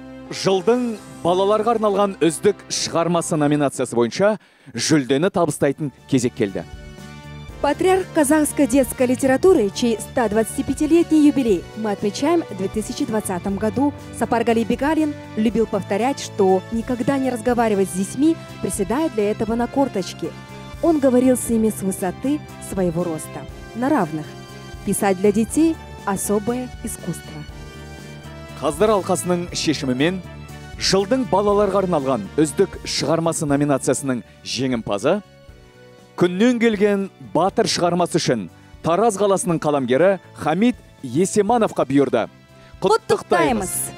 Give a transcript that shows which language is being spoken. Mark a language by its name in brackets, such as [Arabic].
[Kazakh] Жылдың балаларға арналған үздік шығармасы номинациясы бойынша жүлдені табыстайтын кезек келді. [Russian] Патриарх казахской детской литературы, чей 125-летний юбилей мы отмечаем в 2020 году, Сапарғали Бегалин любил повторять, что никогда не разговаривать с детьми, приседая для этого на корточки. Он говорил с ними с высоты своего роста, на равных. Писать для детей – особое искусство. [Kazakh] Қаздар алқасының шешімімен жылдың балаларға арналған үздік шығармасы номинациясының жеңімпазы, күннен келген батыр шығармасы үшін Тараз қаласының қаламгері Хамид Есемановқа бұйырды. Құттықтаймыз!